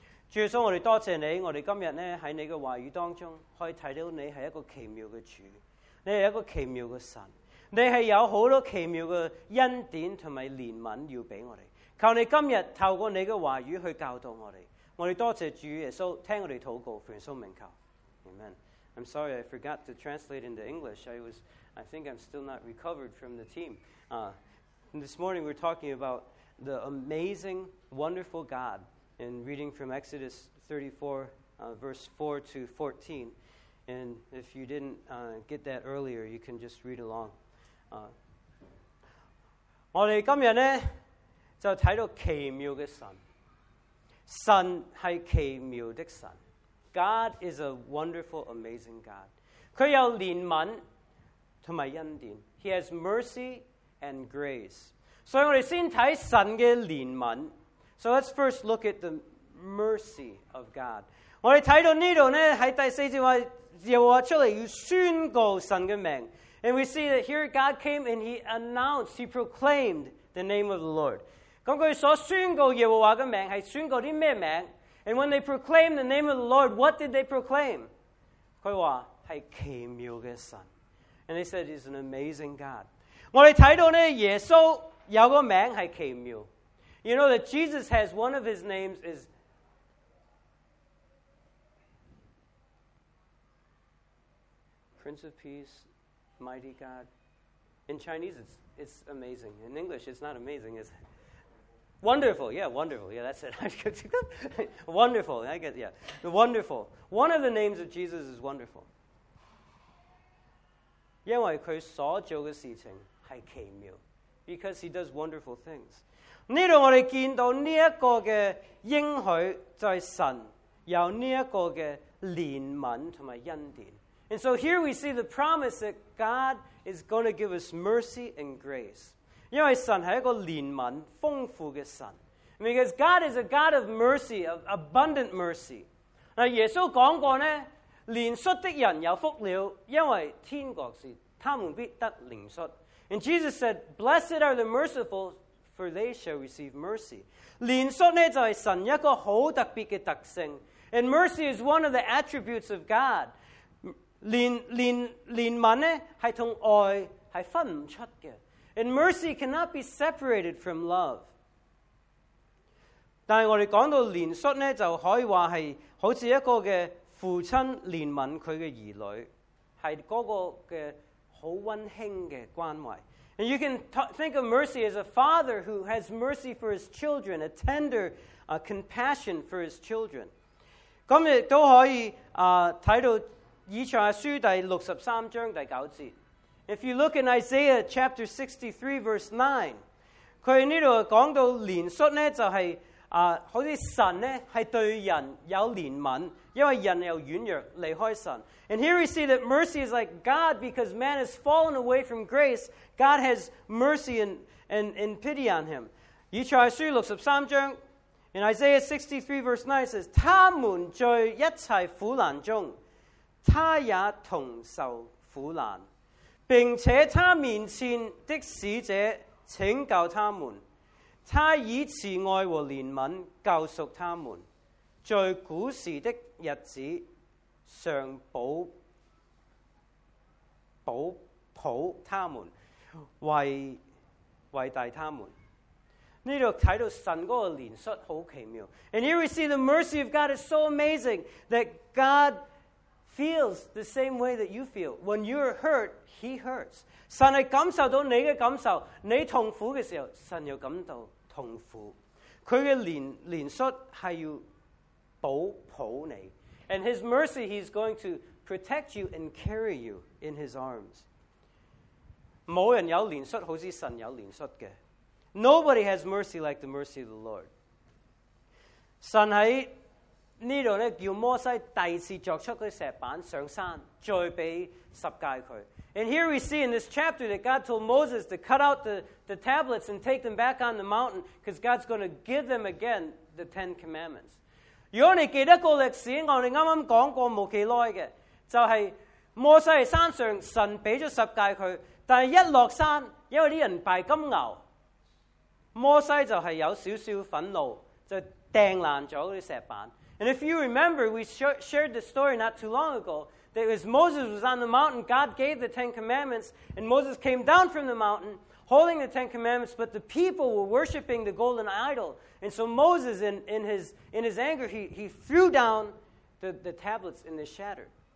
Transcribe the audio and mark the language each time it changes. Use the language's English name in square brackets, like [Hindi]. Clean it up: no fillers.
[Chinese] 主耶稣，我们多谢你，我们今天呢在你的话语当中可以看到你是一个奇妙的主，你是一个奇妙的神，你是有很多奇妙的恩典和怜悯要给我们。求你今天透过你的话语去教导我们。我们多谢主耶稣，听我们祷告，奉耶稣名求， Amen。 [English] I'm sorry I forgot to translate into English. I think I'm still not recovered from the team. This morning we're talking about the amazing, wonderful GodAnd reading from Exodus 34, verse 4 to 14. And if you didn't get that earlier, you can just read along. [Chinese] 我们今天呢就看到奇妙的神。神是奇妙的神。 [English] God is a wonderful, amazing God. [Chinese] 他有怜悯和恩典。 [English] He has mercy and grace. [Chinese] 所以我们先看神的怜悯。 [English] So let's first look at the mercy of God. [Chinese] 我们看到这里呢，在第四节耶和华出来要宣告神的名。 [English] And we see that here God came and he announced, he proclaimed the name of the Lord. [Chinese] 他所宣告耶和华的名是宣告什么名？ [English] And when they proclaimed the name of the Lord, what did they proclaim? [Chinese] 他说是奇妙的神。 [English] And they said he's an amazing God. [Chinese] 我们看到呢，耶稣有个名是奇妙。 [English] You know that Jesus has one of his names is Prince of Peace, Mighty God. In Chinese, it's amazing. In English, it's not amazing, is it? Wonderful, yeah, wonderful. Yeah, that's it. Wonderful, I guess, yeah. Wonderful. One of the names of Jesus is wonderful. [Chinese] 因为他所做的事情是奇妙。 [English] Because he does wonderful things. [Chinese] 这里我们见到这个的应许就是神有这个的怜悯和恩典。 [English] And so here we see the promise that God is going to give us mercy and grace. [Chinese] 因为神是一个怜悯丰富的神。 [English] Because God is a God of mercy, of abundant mercy. [Chinese] 耶稣讲过呢，怜恤的人有福了，因为天国是他们必得怜恤。 [English] And Jesus said, blessed are the merciful, for they shall receive mercy. [Chinese] 怜恤呢就是神一个好特别的特性。 [English] And mercy is one of the attributes of God. [Chinese] 怜悯呢是同爱是分不出的。 [English] And mercy cannot be separated from love. [Chinese] 但是我们讲到怜恤呢，就可以说是好像一个的父亲怜悯他的儿女，是那个的很温馨的关怀。 [English] And you can think of mercy as a father who has mercy for his children, a tender compassion for his children. [Chinese] 那也可以看到以赛亚书第63章第9节。 [English] If you look in Isaiah chapter 63, verse 9, [Chinese] 他在这里讲到怜恤呢，就是好像神呢是对人有怜悯，因为人有软弱离开神。 [English] And here we see that mercy is like God, because man has fallen away from grace, God has mercy and pity on him. [Chinese] 以赛亚书63章 [English] in Isaiah 63, verse 9 says, [Chinese] 他们在一切苦难中，他也同受苦难。并且他面前的使者拯救他们，他以慈爱和怜悯救赎他们，在古时的日子常保他们，为大他们。这里看到神的怜恤很奇妙。 [English] And here we see the mercy of God is so amazing that God feels the same way that you feel. When you are hurt, he hurts. [Chinese] 神是感受到你的感受，你痛苦的时候，神又感到痛苦。他的怜恤是要保抱你。 [English] And his mercy, he's going to protect you and carry you in his arms. [Chinese] 没人有怜恤好像神有怜恤的。 [English] Nobody has mercy like the mercy of the Lord. [Chinese] 神在这里呢叫摩西第二次作出的石板上山，再给十诫他。 [English] And here we see in this chapter that God told Moses to cut out the tablets and take them back on the mountain because God's going to give them again the Ten Commandments. [Chinese] 如果你记得个历史，我们刚刚讲过没多久的，就是摩西在山上，神给了十诫他，但是一落山，因为人拜金牛，摩西就是有少少愤怒，就扔烂了那些石板。 [English] And if you remember, we shared the story not too long ago, that as Moses was on the mountain, God gave the Ten Commandments, and Moses came down from the mountain, holding the Ten Commandments, but the people were worshiping the golden idol. And so Moses, in his anger, he threw down the tablets, and they shattered.